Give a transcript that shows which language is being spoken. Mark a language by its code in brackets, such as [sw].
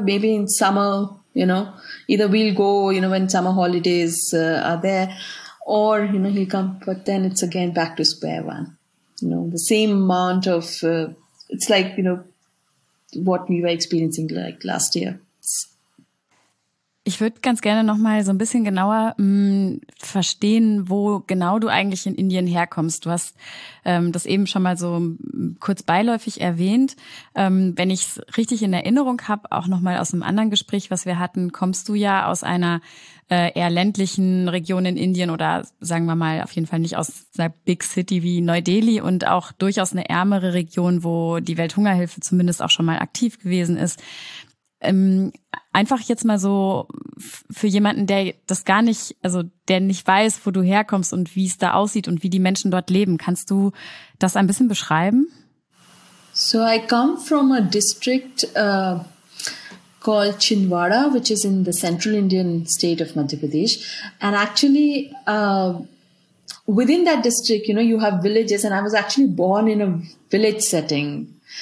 [en] Maybe in summer, you know, either we'll go, you know, when summer holidays are there, or, you know, he'll come. But then it's again back to square one. You know, the same amount of, it's like, you know, what we were experiencing like last year. [de] Ich würde ganz gerne noch mal so ein bisschen genauer verstehen, wo genau du eigentlich in Indien herkommst. Du hast das eben schon mal so kurz beiläufig erwähnt. Wenn ich es richtig in Erinnerung habe, auch noch mal aus einem anderen Gespräch, was wir hatten, kommst du ja aus einer eher ländlichen Region in Indien oder sagen wir mal auf jeden Fall nicht aus einer Big City wie Neu-Delhi und auch durchaus eine ärmere Region, wo die Welthungerhilfe zumindest auch schon mal aktiv gewesen ist. Einfach jetzt mal so für jemanden, der das gar nicht, also der nicht weiß, wo du herkommst und wie es da aussieht und wie die Menschen dort leben. Kannst du das ein bisschen beschreiben? [en] So I come from a district called Chinwara, which is in the central Indian state of Madhya Pradesh. And actually within that district, you know, you have villages, and I was actually born in a village setting.